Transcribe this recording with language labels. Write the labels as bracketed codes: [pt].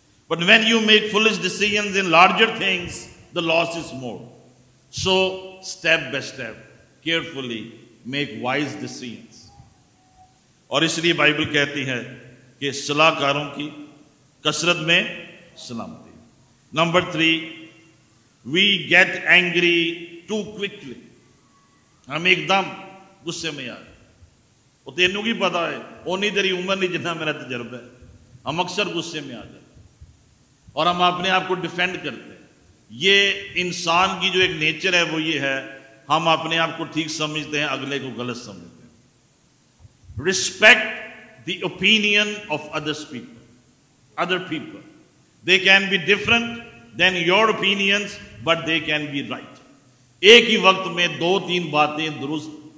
[en] But when you make foolish decisions in larger things, the loss is more. So step by step, carefully make wise decisions. [ur] اور اس لیے Bible کہتی ہے کہ صلاح کاروں کی کثرت میں سلامتی. [en] Number three, we get angry too quickly. [ur] ہم ایک دم غصے میں آئے، وہ [pa] تینوں کی پتا ہے، اونی تیری عمر نہیں [ur] جتنا میرا تجربہ ہے، ہم اکثر غصے میں آ جاتے ہیں اور ہم اپنے آپ کو ڈیفینڈ کرتے ہیں. یہ انسان کی جو ایک نیچر ہے وہ یہ ہے، ہم اپنے آپ کو ٹھیک سمجھتے ہیں، اگلے کو غلط سمجھتے ہیں. [en] Respect the opinion of others people. Other people, they can be different than your opinions, but they can be right. [ur] ایک ہی وقت میں دو تین باتیں درست